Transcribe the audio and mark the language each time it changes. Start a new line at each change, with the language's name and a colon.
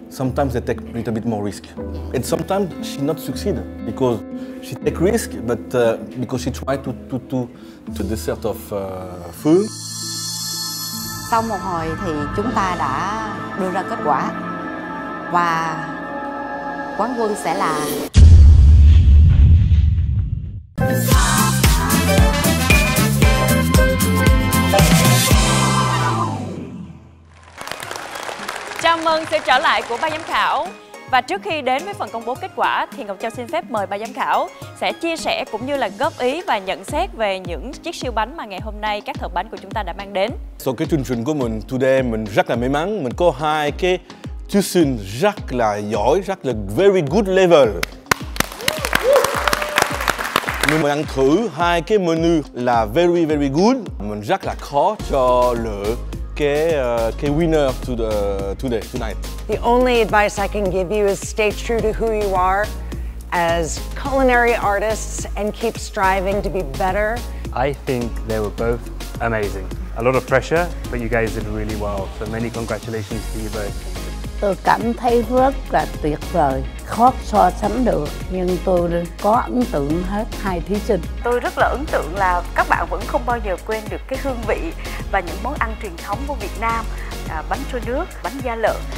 English: Sometimes they take a little bit more risk, and sometimes she not succeed because she take risk, but because she try to the sort of food.
Vietnamese: Sau một hồi thì chúng ta đã đưa ra kết quả, và quán quân sẽ là. Chào mừng sự trở lại của ban giám khảo. Và trước khi đến với phần công bố kết quả thì Ngọc Châu xin phép mời ban giám khảo sẽ chia sẻ cũng như là góp ý và nhận xét về những chiếc siêu bánh mà ngày hôm nay các thợ bánh của chúng ta đã mang đến. Sau cái chương trình của mình today, mình rất là may mắn, mình có hai cái thí sinh rất là giỏi, rất là
English: very good level.
Vietnamese: Mình đang thử hai cái menu là
English: very very good.
Vietnamese: Mình rất là khó cho cái
English: winner tonight. The only advice I can give you is stay true to who you are as culinary artists and keep striving to be better. I think they were both amazing. A lot of pressure, but you guys did really well. So many congratulations to you both.
Vietnamese: Tôi cảm thấy rất là tuyệt vời, khó so sánh được, nhưng tôi có ấn tượng hết hai thí sinh. Tôi rất là ấn tượng là các bạn vẫn không bao giờ quên được cái hương vị và những món ăn truyền thống của Việt Nam, bánh trôi nước, bánh da lợn.